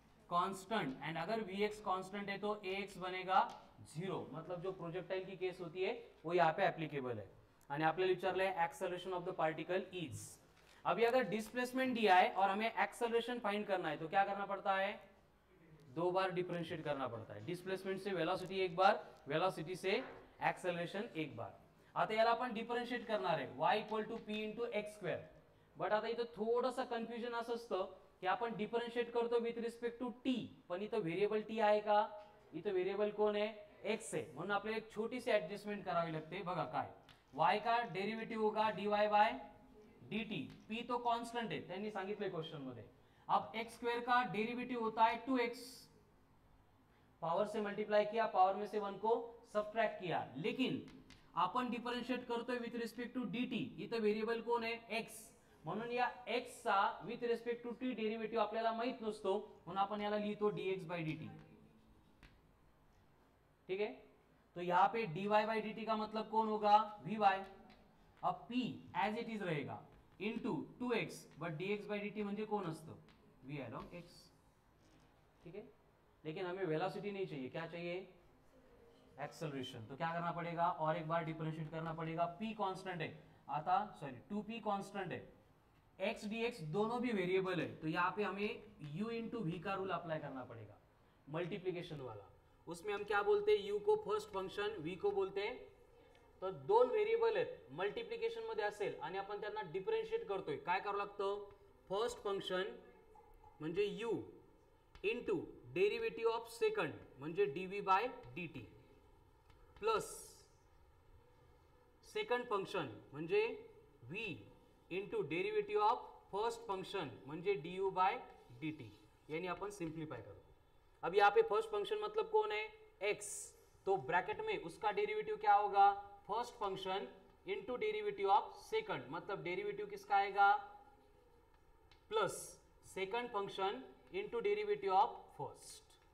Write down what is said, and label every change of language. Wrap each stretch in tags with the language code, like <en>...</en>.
<hi>Constant, and अगर vx constant है तो ax बनेगा जीरो, मतलब जो प्रोजेक्टाइल की केस होती है वो यहाँ पे एप्लीकेबल है।</hi> <mr>आणि आपल्याला विचारले</mr> <hi>acceleration of the particle is, अभी अगर डिस्प्लेसमेंट दिया है और हमें एक्सेलरेशन फाइंड करना है तो क्या करना पड़ता है, दो बार डिफरेंशिएट करना पड़ता है, डिस्प्लेसमेंट से वेलोसिटी एक बार, वेलोसिटी से एक्सेलरेशन एक बार।</hi> <mr>आता याला आपण डिफरेंशिएट करणार आहे Wai equal to P into x square, but आता इथं थोडंसं कन्फ्युजन असं असतं की आपण डिफरेंशिएट करतो विथ रिस्पेक्ट टू टी, पण इथं व्हेरिएबल टी आहे का, इथं व्हेरिएबल कोण आहे एक्स है, म्हणून आपल्याला एक छोटीशी ऍडजस्टमेंट करावी लागते।</mr> <hi>बघा काय, वाई का डेरिवेटिव होगा डीवाई बाय डीटी, पी तो कॉन्स्टंट है,</hi> <mr>त्यांनी सांगितलं क्वेश्चन मध्ये,</mr> <hi>अब एक्स स्क्वेअर का डेरिवेटिव होता है 2x, पावर से मल्टीप्लाई किया, पावर में से 1 को सबट्रैक्ट किया,</hi> <mr>लेकिन आपण डिफरेंशिएट करतोय विथ रिस्पेक्ट टू डीटी, इथं व्हेरिएबल कोण आहे एक्स, म्हणून या x चा with respect to T derivative आपल्याला माहित नसतो, म्हणून आपण याला लिहितो dx बाय dt.</mr> <hi>ठीक आहे, तो यहां पे dy बाय dt का मतलब कौन होगा, vy. अब p एज इट इज रहेगा into two x, but dx bye dt</hi> <mr>म्हणजे कोण असतो,</mr> <en>v along x.</en> <hi>ठीक आहे, लेकिन हमें वेलोसिटी नहीं चाहिए, क्या चाहिए, एक्सेलरेशन. तो क्या करना पड़ेगा, और एक बार डिफरेंशिएट करना पड़ेगा. p कांस्टेंट है आता, सॉरी 2p कांस्टेंट है, x dx दोनों भी वेरिएबल है, तो यहाँ पे हमें u into v का रूल अप्लाई करना पड़ेगा, मल्टीप्लीकेशन वाला. उसमें हम क्या बोलते हैं, u को फर्स्ट फंक्शन, v को बोलते हैं,</hi> <mr>तो दोन वेरिएबल है मल्टीप्लीकेशन मध्ये असेल आणि आपण त्यांना डिफरेंशिएट करतोय, काय करू लागतो, फर्स्ट फंक्शन म्हणजे u into derivative of second म्हणजे dv bye dt plus second function म्हणजे v into derivative of first function म्हणजे D you bye D T. यानी आपण सिम्प्लिफाय करू.</mr> <hi>अब यहाँ पे फर्स्ट फंक्शन मतलब कौन है, एक्स, तो ब्रैकेट में उसका डेरिवेटिव क्या होगा, first function into derivative of second, मतलब डेरिवेटिव किसका आएगा, plus second function into derivative of first.</hi>